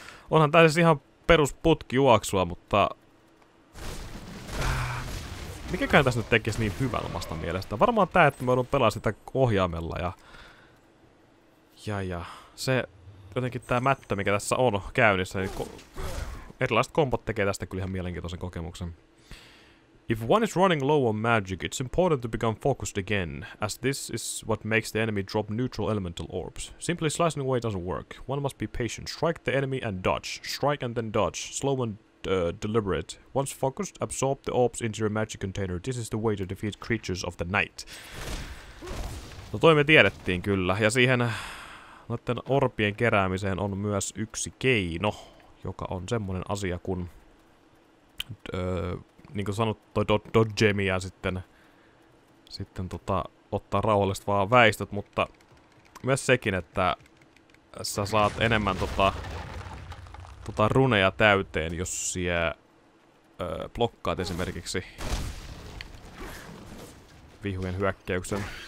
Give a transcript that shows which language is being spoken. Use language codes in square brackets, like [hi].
[fi] Onhan tää siis ihan perusputki juoksua, mutta mikäkään tässä nyt tekisi niin hyvän omasta mielestä? Varmaan tää, että me joudun pelaa sitä ohjaimella ja se jotenkin tää mättö, mikä tässä on käynnissä, niin erilaiset kombot tekee tästä kyllä ihan mielenkiintoisen kokemuksen. [en] If one is running low on magic, it's important to become focused again, as this is what makes the enemy drop neutral elemental orbs. Simply slicing away doesn't work. One must be patient. Strike the enemy and dodge. Strike and then dodge. Slow and deliberate. Once focused, absorb the orbs into your magic container. This is the way to defeat creatures of the night. [fi] No toi me tiedettiin kyllä, ja siihen noitten orbien keräämiseen on myös yksi keino, joka on semmonen asia kuin niin kuin sanot, toi dodgemi ja sitten ottaa rauhallista vaan väistöt, mutta myös sekin, että sä saat enemmän runeja täyteen, jos siellä blokkaat esimerkiksi vihujen hyökkäyksen.